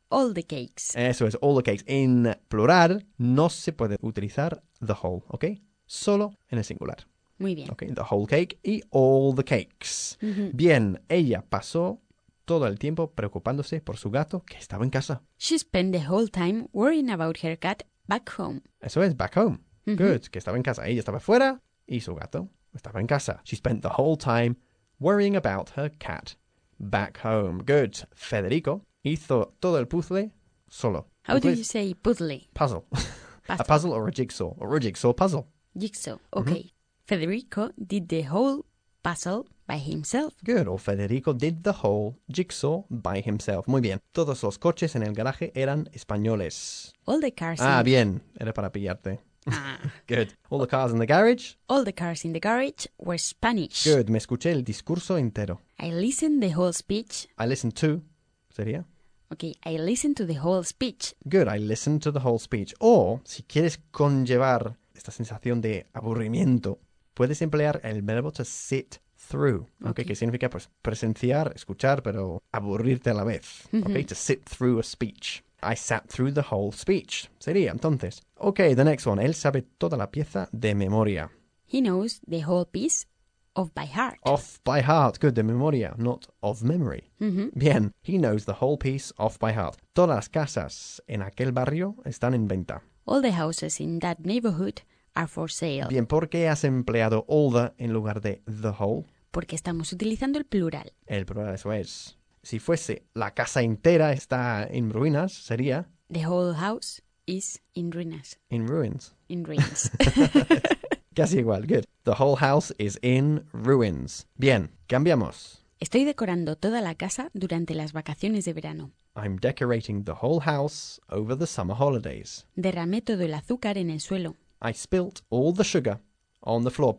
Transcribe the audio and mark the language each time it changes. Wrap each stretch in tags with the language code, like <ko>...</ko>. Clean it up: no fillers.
<en>All the cakes.</en> <es>Eso es,</es> <en>all the cakes.</en> <es>En plural, no se puede utilizar</es> <en>the whole,</en> <es>¿ok? Solo en el singular. Muy bien.</es> <en>Okay, the whole cake y all the cakes. Mm-hmm.</en> <es>Bien, ella pasó todo el tiempo preocupándose por su gato que estaba en casa.</es> <en>She spent the whole time worrying about her cat back home.</en> <es>Eso es,</es> <en>back home. Mm-hmm.</en> <es>Good, que estaba en casa. Ella estaba fuera y su gato estaba en casa.</es> <en>She spent the whole time worrying about her cat back home.</en> <es>Good. Federico hizo todo el puzzle solo.</es> <en>How do you say puzzle? Puzzle. Puzzle. A puzzle or a jigsaw. Or a jigsaw puzzle. Jigsaw. Okay. Mm-hmm. Federico did the whole puzzle by himself. Good. Or Federico did the whole jigsaw by himself.</en> <es>Muy bien. Todos los coches en el garaje eran españoles.</es> <en>All the cars.</en> <es>Ah, bien. Era para pillarte.</es> <en>Good. All the cars in the garage? All the cars in the garage were Spanish.</en> <es>Good. Me escuché el discurso entero.</es> <en>I listened the whole speech. I listened to, sería. Okay, I listened to the whole speech. Good, I listened to the whole speech.</en> <es>Or, si quieres conllevar esta sensación de aburrimiento, puedes emplear el verbo</es> <en>to sit through. Okay.</en> <es>Que significa pues presenciar, escuchar, pero aburrirte a la vez. Mm-hmm.</es> <en>Okay, to sit through a speech. I sat through the whole speech.</en> <es>Sería, entonces.</es> <en>Ok, the next one.</en> <es>Él sabe toda la pieza de memoria.</es> <en>He knows the whole piece off by heart. Off by heart. Good,</en> <es>de memoria,</es> <en>not of memory. Mm-hmm. Bien, he knows the whole piece off by heart.</en> <es>Todas las casas en aquel barrio están en venta.</es> <en>All the houses in that neighborhood are for sale.</en> <es>Bien, ¿por qué has empleado</es> <en>all the</en> <es>en lugar de</es> <en>the whole?</en> <es>Porque estamos utilizando el plural. El plural, eso es. Si fuese la casa entera está en ruinas, sería...</es> <en>The whole house is in ruinas. In ruins. In ruins.</en> <es>Casi igual,</es> <en>good. The whole house is in ruins.</en> <es>Bien, cambiamos. Estoy decorando toda la casa durante las vacaciones de verano.</es> <en>I'm decorating the whole house over the summer holidays.</en> <es>Derramé todo el azúcar en el suelo.</es> <en>I spilt all the sugar on the floor.</en>